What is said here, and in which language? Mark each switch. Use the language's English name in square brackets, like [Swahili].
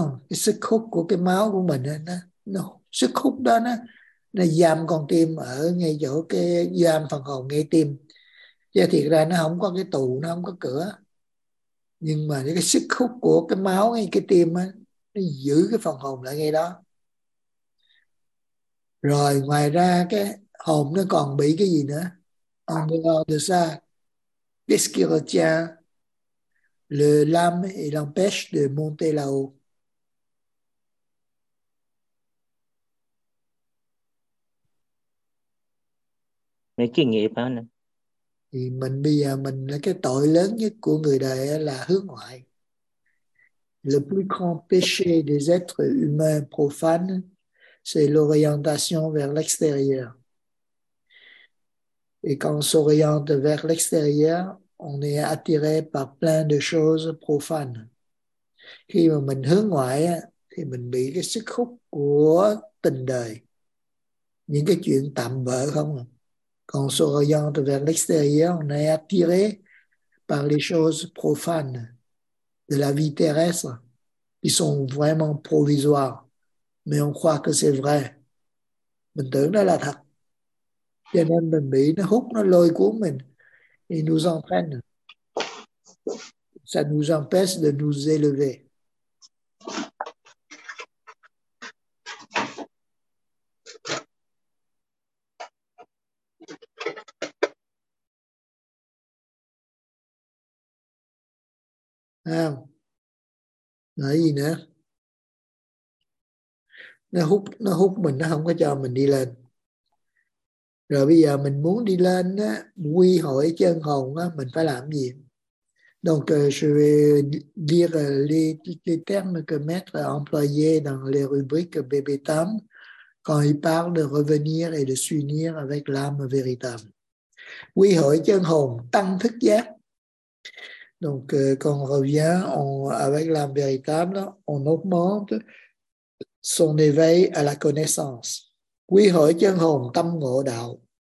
[Vietnamese] Cái sức hút của cái máu của mình. Sức hút đó nó giam con tim ở ngay chỗ cái giam phần hồn ngay tim. Chứ thiệt ra nó không có cái tù, nó không có cửa. Nhưng mà cái sức hút của cái máu ngay cái tim đó, nó giữ cái phần hồn lại ngay đó. Rồi ngoài ra cái hồn nó còn bị cái gì nữa? [French] En dehors de ça, qu'est-ce qui retient le l'âme et l'empêche de monter là-haut? [Vietnamese] Mấy cái nghiệp đó nè. Thì mình bây giờ mình là cái tội lớn nhất của người đời là hướng ngoại. [French] Le plus grand péché des êtres humains profanes, c'est l'orientation vers l'extérieur. Et quand on s'oriente vers l'extérieur, on est attiré par plein de choses profanes. [Vietnamese] Khi mà mình hướng ngoại thì mình bị cái sức hút của tình đời. Những cái chuyện tạm bợ không ạ? [French] Quand on s'oriente vers l'extérieur, on est attiré par les choses profanes de la vie terrestre qui sont vraiment provisoires. Mais on croit que c'est vrai. [Vietnamese] Mình tưởng nó là thật. Cho nên mình bị nó hút, nó lôi cuốn mình. [French] Il nous entraîne. Ça nous empêche de nous élever. [Vietnamese] Nói gì nữa? Nó hút mình, nó không có cho mình đi lên. Rồi bây giờ mình muốn đi lên á, quy hội chân hồn á, mình phải làm gì? [French] Donc je vais dire les termes que maître a employé dans les rubriques bébé tam quand il parle de revenir et de s'unir avec l'âme véritable. [Vietnamese] Quy hội chân hồn, tăng thức giác. [French] Donc, quand on revient avec l'âme véritable, on augmente son éveil à la connaissance. [Vietnamese] Quy hội chân hồn, tâm ngộ đạo.